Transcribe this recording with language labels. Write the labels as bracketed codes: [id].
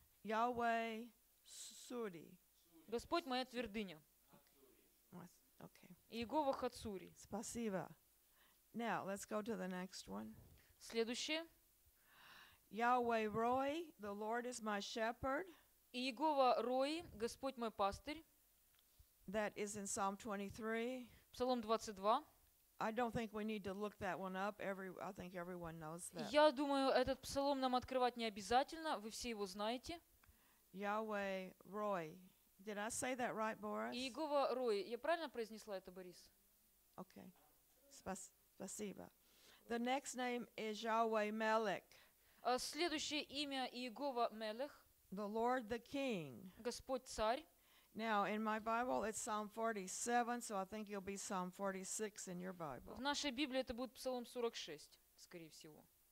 [en] Yahweh Suri. [ru] Господь моя твердыня. [en] Okay. [ru] Иегова Хацури. Спасибо. [en] Now let's go to the next one. [ru] Следующее. [en] Yahweh Roi, the Lord is my shepherd. [ru] Иегова Рои, Господь мой пастырь. [en] That is in Psalm 23. [ru] Псалом 22. [en] I don't think we need to look that one up. I think everyone knows that. [ru] Я думаю, этот псалом нам открывать не обязательно. Вы все его знаете. [en] Yahweh Roi. Did I say that right, Boris? [ru] Иегова Рои. Я правильно произнесла это, Борис? [en] Okay. [ru] Спасибо. [en] The next name is Yahweh Melech. [ru] Следующее имя Иегова Мелех. [en] The Lord, the King. [ru] Господь царь. [en] Now, in my Bible, it's Psalm 47, so I think it'll be Psalm 46 in your Bible. [ru] В нашей Библии это будет Псалом 46, скорее всего.